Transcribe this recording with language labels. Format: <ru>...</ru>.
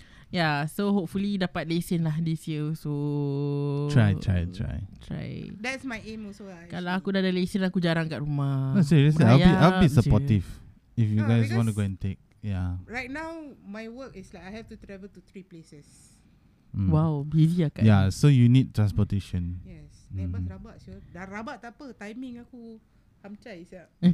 <en>Ya, yeah, so hopefully</en> <ms>dapat lesen lah</ms> <en>this year. So Try. That's my aim also lah.</en> <ms>Kalau aku dah ada lesen, aku jarang kat rumah.</ms> <en>No, seriously, I'll be supportive if you guys want to go and take. Yeah. Right now, my work is like I have to travel to 3 places. Wow, busy</en> <ms>lah kan.</ms> <en>Yeah, so you need transportation.</en> <ms>Yes, nampak rabak sure. Dah rabak tak apa, timing aku hamcai siap.</ms>